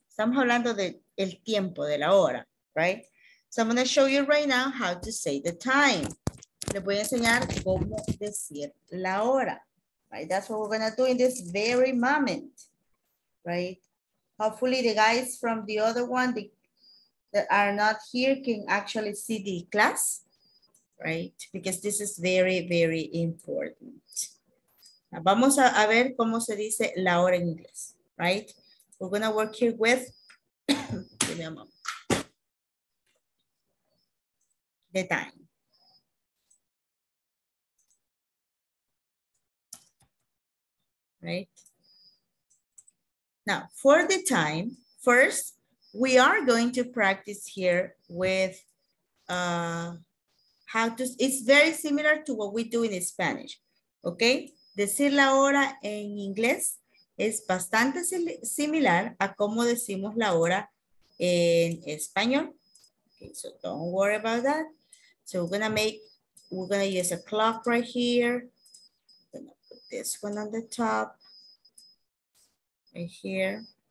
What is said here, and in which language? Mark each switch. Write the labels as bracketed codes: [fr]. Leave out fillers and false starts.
[es] Estamos hablando de el tiempo, de la hora, right? [en] So I'm gonna show you right now how to say the time. [es] Le voy a enseñar cómo decir la hora, right? [en] That's what we're gonna do in this very moment, right? Hopefully the guys from the other one that are not here can actually see the class, right? Because this is very, very important. [es] Vamos a ver cómo se dice la hora en inglés, right? [en] We're gonna work here with, give me a moment. The time. Right? Now, for the time, first, we are going to practice here with how to, it's very similar to what we do in Spanish, okay? [es] Decir la hora en inglés es bastante similar a cómo decimos la hora en español. [en] Okay, so don't worry about that. So we're gonna use a clock right here. I'm gonna put this one on the top right here.